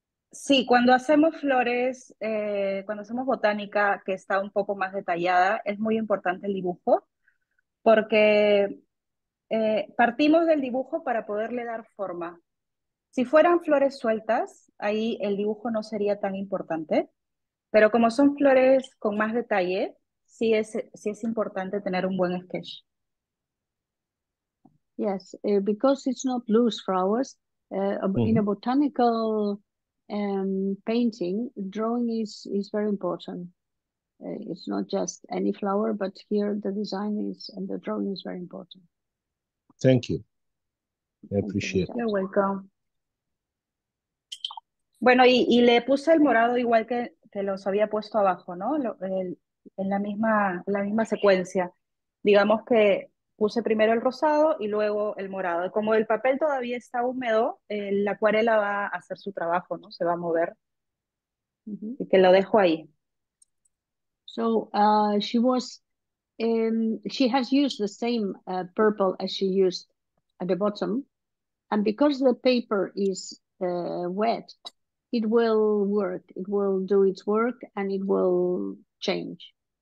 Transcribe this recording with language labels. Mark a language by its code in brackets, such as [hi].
[es] Sí, cuando hacemos flores, cuando hacemos botánica que está un poco más detallada, es muy importante el dibujo, porque partimos del dibujo para poderle dar forma. Si fueran flores sueltas, ahí el dibujo no sería tan importante, pero como son flores con más detalle, sí es importante tener un buen sketch. [en] Yes, because it's not loose flowers, in a botanical painting, drawing is very important. It's not just any flower, but here the design is and the drawing is very important. Thank you. I appreciate it. You're welcome. [es] Bueno, y le puse el morado igual que los había puesto abajo, ¿no? En la misma secuencia. Digamos que puse primero el rosado y luego el morado. Como el papel todavía está húmedo, la acuarela va a hacer su trabajo, ¿no? Se va a mover. Y que lo dejo ahí. [en] So, she was, she has used the same purple as she used at the bottom. And because the paper is wet, it will work. It will do its work and it will change.